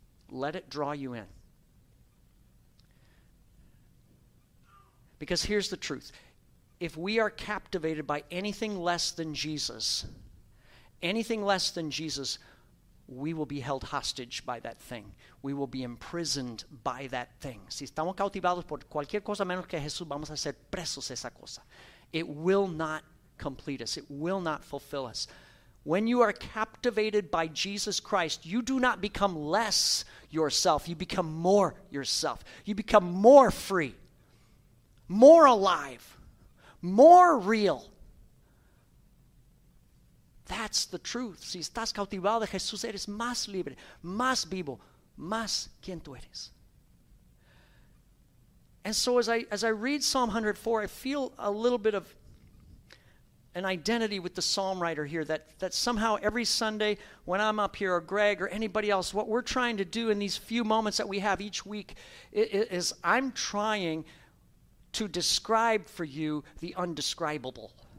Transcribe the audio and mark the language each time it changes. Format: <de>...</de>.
<en>Let it draw you in. Because here's the truth. If we are captivated by anything less than Jesus, we will be held hostage by that thing. We will be imprisoned by that thing.</en> <es>Si estamos cautivados por cualquier cosa menos que Jesús, vamos a ser presos esa cosa.</es> <en>It will not complete us. It will not fulfill us. When you are captivated by Jesus Christ, you do not become less yourself. You become more yourself. You become more free, more alive, more real. That's the truth.</en> <es>Si estás cautivado de Jesús, eres más libre, más vivo, más quien tú eres.</es> <en>And so as I read Psalm 104, I feel a little bit of an identity with the psalm writer here, that somehow every Sunday when I'm up here, or Greg or anybody else, what we're trying to do in these few moments that we have each week is I'm trying to describe for you the undescribable.</en>